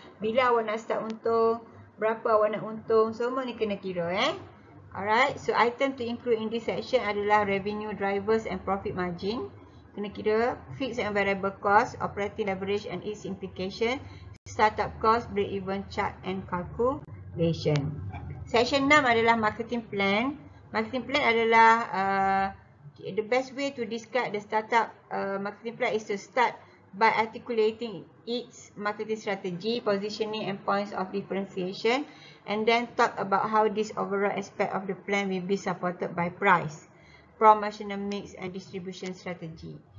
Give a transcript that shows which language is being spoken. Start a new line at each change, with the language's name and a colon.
Malay: Bila awak nak start untung, berapa awak nak untung, semua ni kena kira, eh.
English: Alright, so item to include in this section
Malay: adalah
English: revenue drivers and profit margin.
Malay: kena kira
English: fixed and variable cost, operating leverage and its implication, startup cost, break even chart and calculation. Section 6
Malay: adalah
English: marketing plan. Marketing plan
Malay: adalah
English: the best way to describe the startup marketing plan is to start by articulating its marketing strategy, positioning and points of differentiation, and then talk about how this overall aspect of the plan will be supported by price, promotional mix and distribution strategy.